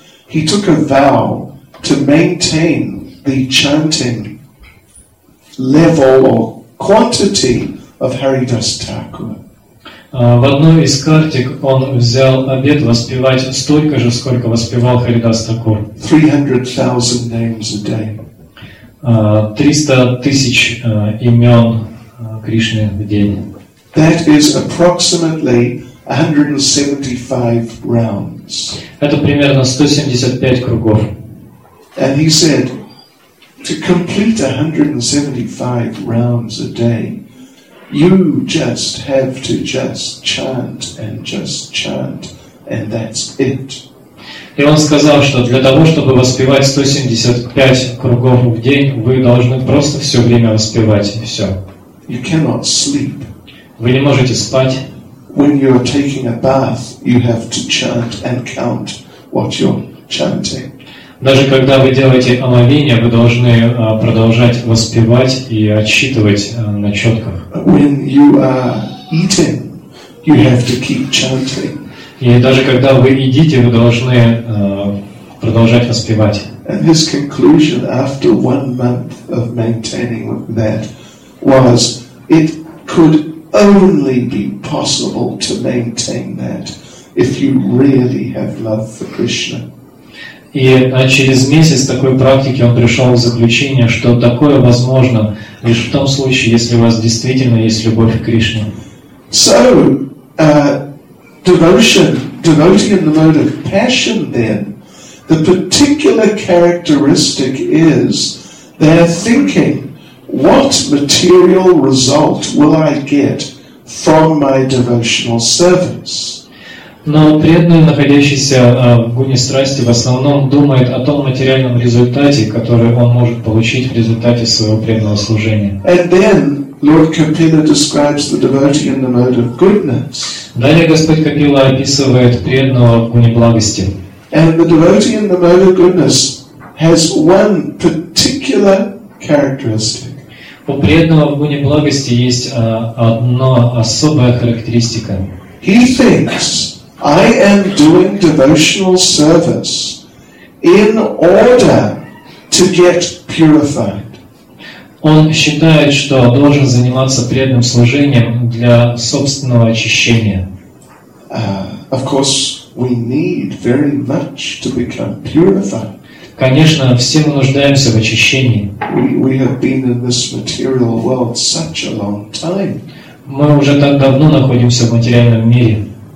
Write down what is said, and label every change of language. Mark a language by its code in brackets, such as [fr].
[en] He took a vow to maintain the chanting level or quantity of Haridas Thakur. [ru] В одной из картик он взял обет воспевать столько же, сколько воспевал Харидас Такур. [en] 300,000 names a day. [ru] 300,000 имен Кришны в день. [en] That is approximately 175 rounds. [ru] Это примерно 175 кругов. [en] And he said, to complete 175 rounds a day, you just have to just chant and just chant, and that's it. [ru] И он сказал, что для того, чтобы воспевать 175 кругов в день, вы должны просто все время воспевать, и все. [en] You cannot sleep. [ru] Вы не можете спать. [en] When you're taking a bath, you have to chant and count what you're chanting. [ru] Даже когда вы делаете омовение, вы должны продолжать воспевать и отсчитывать на четках. [en] When you are eating, you have to keep chanting. [ru] И даже когда вы едите, вы должны продолжать воспевать. [en] And his conclusion after 1 month of maintaining that was, it could only be possible to maintain that if you really have love for Krishna. [ru] И через месяц такой практики он пришел к заключению, что такое возможно лишь в том случае, если у вас действительно есть любовь к Кришне. [en] So, devotion, devoting in the mode of passion then, the particular characteristic is they're thinking, what material result will I get from my devotional service? [ru] Но преданный, находящийся в гуне страсти, в основном думает о том материальном результате, который он может получить в результате своего преданного служения. [en] And then Lord Kapila describes the devotee in the mode of goodness. [ru] Далее Господь Капила описывает преданного в гуне благости. [en] And the devotee in the mode of goodness has one particular characteristic. [ru] У преданного в гуне благости есть одна особая характеристика. [en] He thinks, I am doing devotional service in order to get purified. [ru] Он считает, что должен заниматься преданным служением для собственного очищения. [en] Of course, we need very much to become purified. [ru] Конечно, все мы нуждаемся в очищении. [en] We have been in this material world such a long time. [ru] Мы уже так давно находимся в материальном мире.